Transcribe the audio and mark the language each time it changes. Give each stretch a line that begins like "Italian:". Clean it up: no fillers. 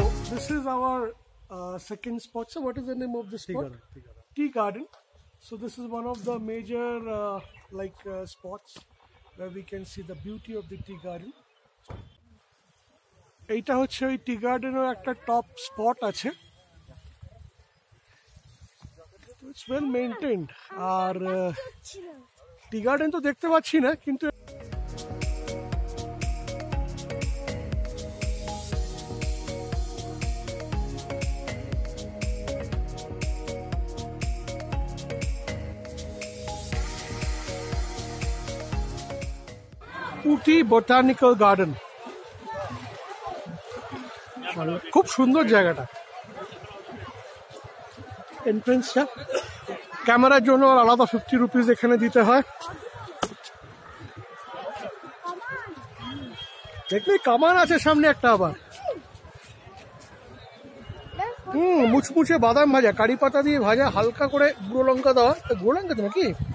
English: This is our second spot, so what is the name of this spot? Tea garden. So this is one of the major spots where we can see the beauty of the tea garden.
Bangla: Eta hocche oi tea garden er ekta top spot ache,
English: it's well maintained.
Bangla: Ar tea garden to dekhte pacchi na, kintu Ooty botanical garden খুব সুন্দর জায়গাটা। এন্ট্রেন্সটা ক্যামেরার জন্য আলাদা ₹50 এখানে দিতে হয়। দেখলি কামান আছে সামনে একটা, আবার মুচমুচে বাদাম ভাজা, কারি পাতা দিয়ে ভাজা, হালকা করে গুঁড়ো লঙ্কা দেওয়া, গুঁড়ো লঙ্কা নাকি